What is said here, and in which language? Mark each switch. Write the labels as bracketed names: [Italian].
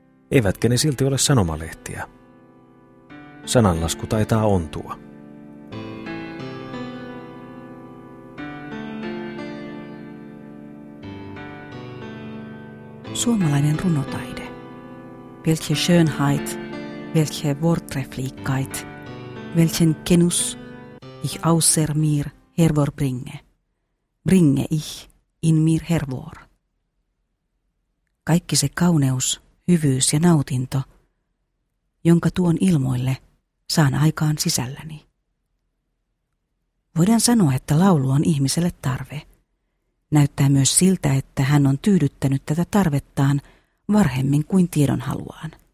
[Finnish] Eivätkä ne silti ole sanomalehtiä. Sananlasku taitaa ontua. Suomalainen runotaide. [German] Welche Schönheit, welche Worttrefflichkeit, welchen Genuss ich außer mir hervorbringe, bringe ich in mir hervor. [Finnish] Kaikki se kauneus, hyvyys ja nautinto, jonka tuon ilmoille, saan aikaan sisälläni. Voidaan sanoa, että laulu on ihmiselle tarve, Näyttää myös siltä, että hän on tyydyttänyt tätä tarvettaan varhemmin kuin tiedon haluaan.